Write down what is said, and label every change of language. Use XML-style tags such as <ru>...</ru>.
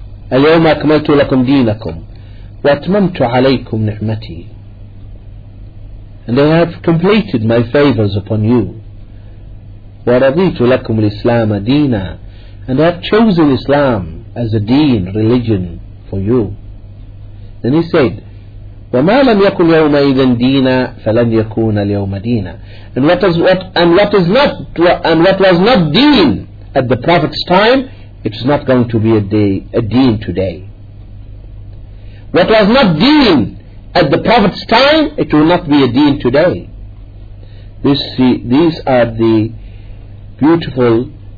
<ar>Al-yawma akmaltu lakum deenakum wa atmamtu alaykum ni'mati.</ar> <en>And I have completed my favors upon you.</en> <ar>Wa raditu lakum al-islam deena.</ar> <en>And I have chosen Islam as a deen, religion for you." Then he said,</en> <ar>وَمَا لَمْ يَكُنْ يَوْمَ إِذًا دِينًا فَلَنْ يَكُونَ الْيَوْمَ دِينًا.</ar> <en>And what was not deen at the Prophet's time, it is not going to be a deen today. What was not deen at the Prophet's time, it will not be a deen today. These are the beautiful</en>